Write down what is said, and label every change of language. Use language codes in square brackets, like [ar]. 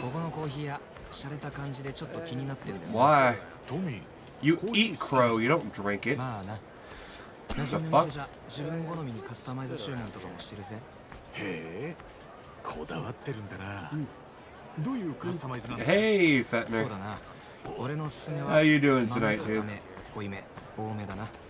[ja] ここのコーヒーや、洒落た感じでちょっと気になってるんです。 [en] Why? トミー、You eat crow, you don't drink it. [ja] まあな。なじみの店じゃ、自分好みにカスタマイズ収納とかもしてるぜ。へえ、こだわってるんだな。どういうカスタマイズなの [en] ？Hey, Fettner. [ja] そうだな。俺のおすすめは、 [en] How you doing tonight, dude? [ja] 豆め、濃いめ、多めだな。